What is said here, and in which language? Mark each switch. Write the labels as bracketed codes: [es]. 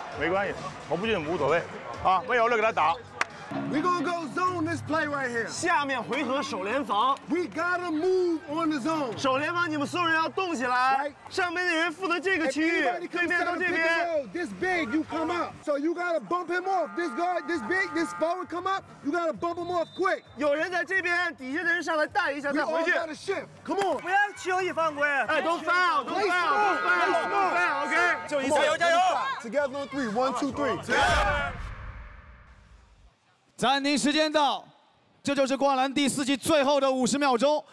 [zh] 没关系，投不进无所谓，啊，没有了给他打。 [en] We gonna go zone this play right here。 [zh] 下面回合守联防。 [en] We gotta move on the zone。 [zh] 守联防，你们所有人要动起来。 [en] Right. [zh] 上面的人负责这个区域，对面到这边。 [en] This big, you come up. So you gotta bump him off. This guard, this big, this forward come up. You gotta bump him off quick. [zh] 有人在这边，底下的人上来带一下再回去。 [en] We all gotta shift. Come on. [zh] 不要轻易犯规。哎，都 foul， 都 foul， 都 foul， 都 foul。OK，就一次。加油，加油！ [en] together on three. One, two, three. Together. [zh] 暂停时间到，这就是灌篮第四季最后的五十秒钟。